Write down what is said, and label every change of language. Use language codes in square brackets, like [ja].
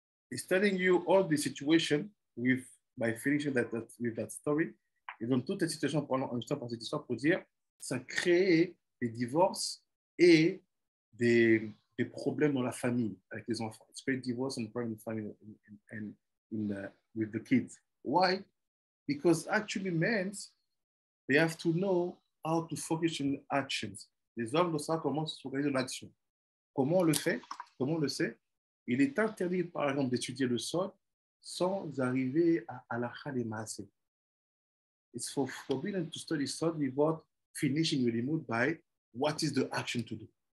[en] Is telling you all the situation with by finishing that with that story. [fr] Et donc toute cette situation pendant une histoire par cette histoire pour dire ça crée des divorces et des problèmes dans la famille avec les enfants. [en] It's create divorce and problems in the family and in the, with the kids. Why? Because actually, men they have to know how to focus on actions. [fr] Les hommes doivent savoir comment se focaliser dans l'action. Comment on le fait? Comment on le sait? Il est interdit, par exemple, d'étudier le sol sans arriver à halakha des maasé. [en] It's forbidden to study sod without finishing your limud by what is the action to do.